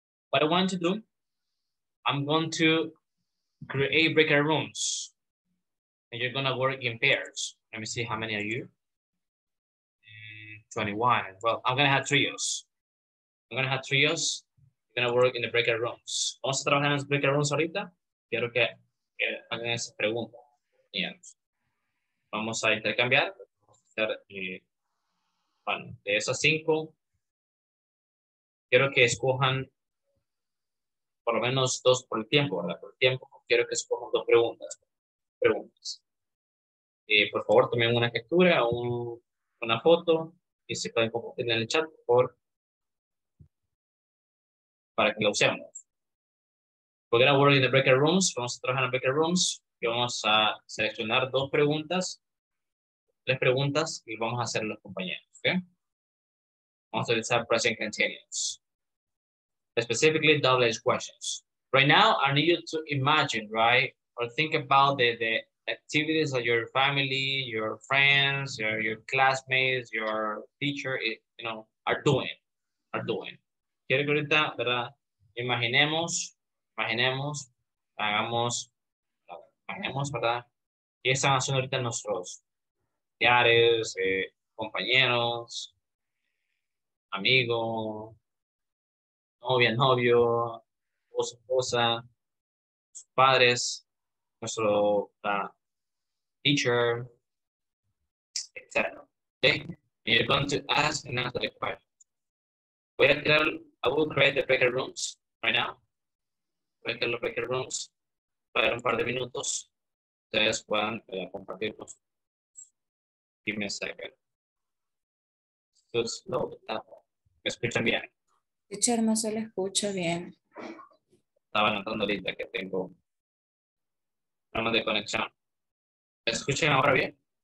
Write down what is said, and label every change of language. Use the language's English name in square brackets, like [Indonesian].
[English] What I want to do, I'm going to create breakout rooms and you're gonna work in pairs. Let me see how many are you. 21, well, I'm gonna have trios. I'm gonna have trios, you're gonna work in the breakout rooms. [Spanish] ¿Vamos a trabajar en los breakout rooms ahorita? Quiero que hagan esa pregunta. Bien. Vamos a intercambiar. Vamos a hacer, bueno, de esas cinco, quiero que escojan por lo menos dos por el tiempo, ¿verdad? Por el tiempo, quiero que escojan dos preguntas. Preguntas. Por favor, tomen una captura, una foto, y si pueden compartir en el chat, por favor, para que lo usemos. [English] We're going to work in the breakout rooms. [Spanish] Vamos a trabajar en the breakout rooms. Y vamos a seleccionar dos preguntas, tres preguntas, y vamos a hacer los compañeros, ¿okay? Vamos a utilizar [English] present continuous. Specifically, double edged questions. Right now, I need you to imagine, right, or think about the activities that your family, your friends, your classmates, your teacher, you know, are doing. [Spanish] Quiero que ahorita, verdad, imaginemos, verdad, qué están haciendo ahorita nuestros familiares, compañeros, amigos. Novia, novio, esposa, sus padres, nuestro [English] teacher, etc. Okay, and you're going to ask and answer the question. Well, I will create the breakout rooms right now. [Spanish] Voy a crear los breakout rooms para un par de minutos. Ustedes puedan compartir con sus. [English] Give me a second. So slow the tap. [Spanish] ¿Me escuchan bien? Teacher, no se le escucha bien. Estaba notando linda que tengo problemas de conexión. ¿Me escuchan ahora bien?